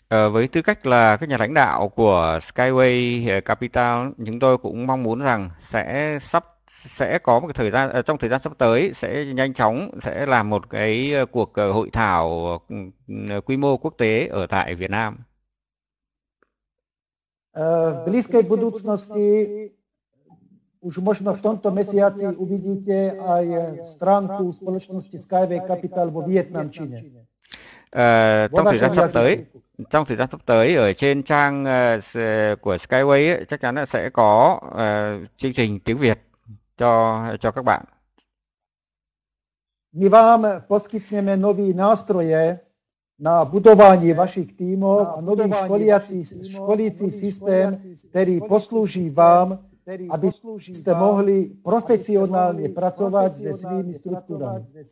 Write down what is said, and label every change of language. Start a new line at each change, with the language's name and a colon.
Vietnamese: Với tư cách là các nhà lãnh đạo của Skyway Capital, chúng tôi cũng mong muốn rằng sẽ có một thời gian trong thời gian sắp tới sẽ nhanh chóng sẽ làm một cái cuộc hội thảo quy mô quốc tế ở tại Việt Nam.
Slovak: V blízkej budúcnosti už možno v tomto mesiaci uvidíte aj stránku spoločnosti Skyway Capital vo vietnamčine.
Vietnamese: Trong thời gian sắp tới ở trên trang của Skyway ấy, chắc chắn là sẽ có chương trình tiếng Việt cho các bạn.
Czech: My vám poskytneme nový nástroje na budování vašich týmov a nový školící systém, který poslouží vám, aby jste mohli profesionálně pracovat se svými strukturami.